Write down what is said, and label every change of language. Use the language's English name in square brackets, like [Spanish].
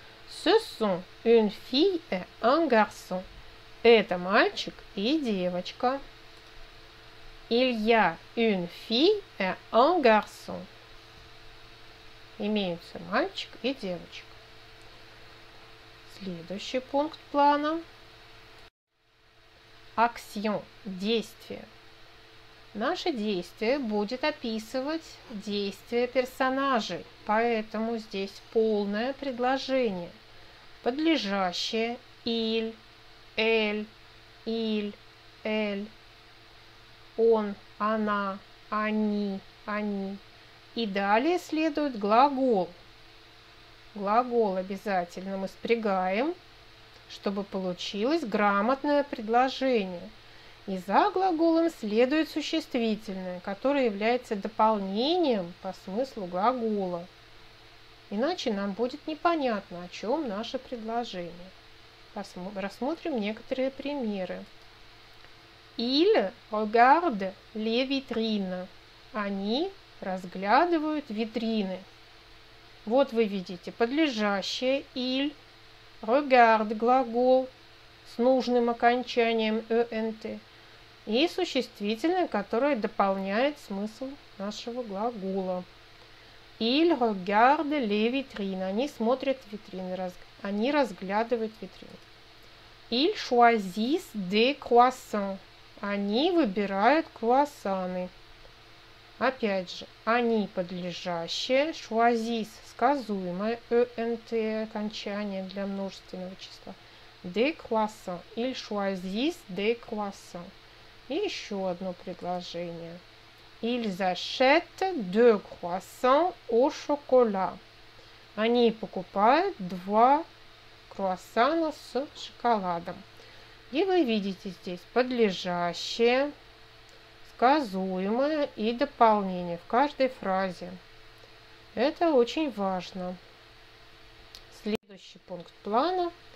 [French] Ce sont une fille et un garçon. [Russian] Это мальчик и девочка. [French] Il y a une fille et un garçon. [Russian] Имеются мальчик и девочка. Следующий пункт плана. Action – действие. Наше действие будет описывать действия персонажей, поэтому здесь полное предложение. Подлежащее – «иль», «эль», «иль», «эль», «он», «она», «они», «они». И далее следует глагол. Глагол обязательно мы спрягаем, чтобы получилось грамотное предложение. И за глаголом следует существительное, которое является дополнением по смыслу глагола. Иначе нам будет непонятно, о чем наше предложение. Рассмотрим некоторые примеры. [French] Il regarde les vitrines. [Russian] Они разглядывают витрины. Вот вы видите подлежащее il, regard глагол с нужным окончанием ent и существительное, которое дополняет смысл нашего глагола. [French] Il regarde les vitrines. [Russian] Они смотрят витрины, они разглядывают витрины. [French] Il choisit des croissants. [Russian] Они выбирают круассаны. Опять же, они подлежащие, choisis, сказуемое, ent, окончание для множественного числа, [French] de croissant, il choisis de croissant. [Russian] И еще одно предложение. [French] Ils achètent deux croissants au chocolat. [Russian] Они покупают два круассана с шоколадом. И вы видите здесь подлежащее, сказуемое и дополнение в каждой фразе. Это очень важно. Следующий пункт плана.